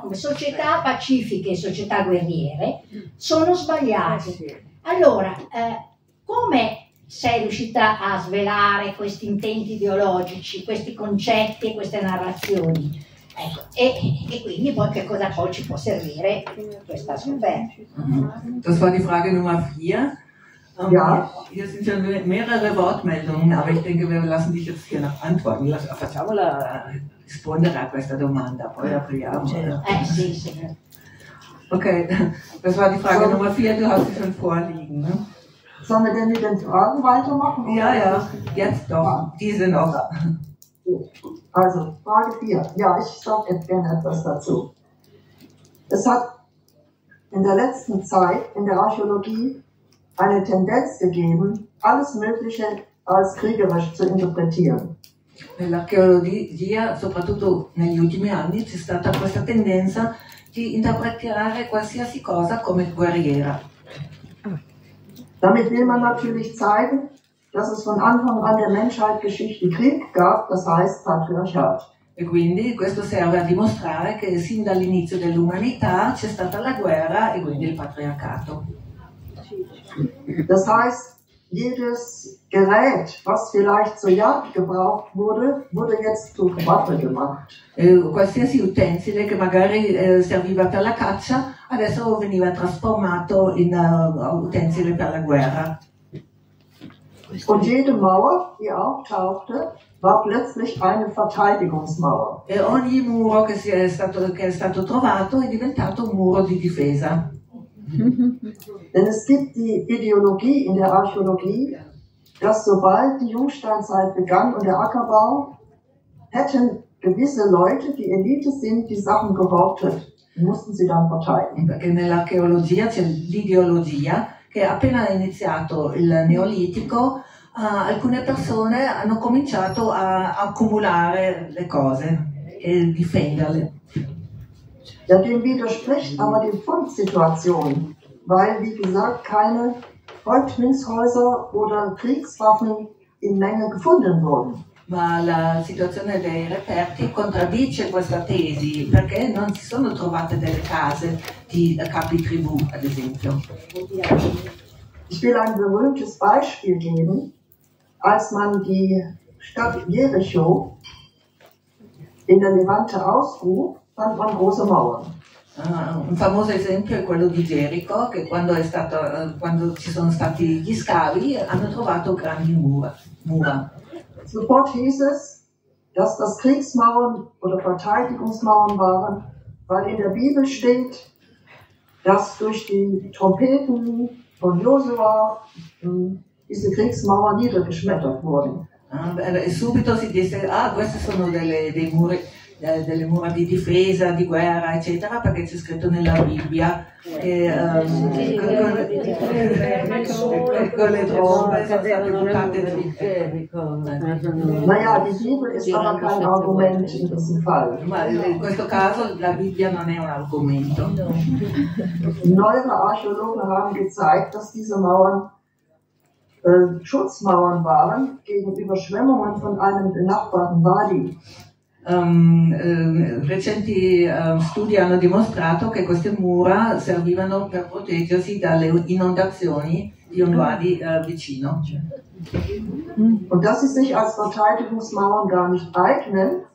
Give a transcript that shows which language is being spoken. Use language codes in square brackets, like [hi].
[it] Come società pacifiche e società guerriere, sono sbagliati. Allora, come sei riuscita a svelare questi intenti ideologici, questi concetti e queste narrazioni? Ecco, e quindi poi che cosa poi ci può servire questa scoperta? [de] Das war die Frage Nummer 4. Ja. Hier sind ja mehrere Wortmeldungen, aber ich denke, wir lassen dich jetzt hier noch antworten. [it] Facciamo la rispondere a questa domanda, poi apriamo. Sì, sì. [de] Okay, das war die Frage Nummer 4, du hast sie schon vorliegen. Ne? Sollen wir denn mit den Fragen weitermachen? Ja, ja, jetzt doch, diese noch. Also, Frage 4. Ja, ich sage gerne etwas dazu. Es hat in der letzten Zeit in der Archäologie eine Tendenz gegeben, alles Mögliche als kriegerisch zu interpretieren. [it] Nell'archeologia, soprattutto negli ultimi anni, c'è stata questa tendenza di interpretare qualsiasi cosa come guerriera. [de] Damit will man natürlich zeigen, dass es von Anfang an der Menschheit Geschichte Krieg gab, das heißt Patriarchat. [it] E quindi questo serve a dimostrare che sin dall'inizio dell'umanità c'è stata la guerra e quindi il patriarcato. [de] Das heißt, jedes Gerät, was vielleicht zur Jagd gebraucht wurde, wurde jetzt zur Waffe gemacht. [it] Qualsiasi utensile che magari serviva per la caccia, adesso veniva trasformato in utensile per la guerra. [de] Und jede Mauer, die auftauchte, war plötzlich eine Verteidigungsmauer. [it] E ogni muro che è stato trovato è diventato un muro di difesa. [de] Denn es gibt die Ideologie in der Archäologie, dass sobald die Jungsteinzeit begann und der Ackerbau, hätten gewisse Leute, die Elite sind, die Sachen gehortet, mussten sie dann verteidigen. [it] Perché nell'archeologia c'è l'ideologia che appena è iniziato il Neolitico, alcune persone hanno cominciato a accumulare le cose e difenderle. [de] Ja, dem widerspricht aber die Fundsituation, weil, wie gesagt, keine Häuptlingshäuser oder Kriegswaffen in Menge gefunden wurden. [it] Ma la situazione dei reperti contraddice questa tesi, perché non si sono trovate delle case di capi tribù, ad esempio. [de] Ich will ein berühmtes Beispiel geben, als man die Stadt Jericho in der Levante ausgrub. [it] Un famoso esempio è quello di Gerico, che quando ci sono stati gli scavi hanno trovato grandi mura. [de] Sofort hieß es, dass das Kriegsmauern oder Verteidigungsmauern waren, weil in der Bibel steht, dass durch die Trompeten von Josua diese Kriegsmauern niedergeschmettert wurden. [it] E subito si disse, queste sono dei muri. Delle mura di difesa, di guerra, eccetera, perché c'è scritto nella Bibbia che con le trombe sono state buttate di Gerico. Ma la Bibbia è un argomento in questo caso. Ma in questo caso la Bibbia non è un argomento. [de] Neue Archäologen haben gezeigt, dass diese Mauern Schutzmauern waren gegen Überschwemmungen von einem benachbarten Wadi. [it] Recenti studi hanno dimostrato che queste mura servivano per proteggersi dalle inondazioni di un wadi vicino. [de] Und das ist sich als Verteidigungsmauern gar nicht eignen,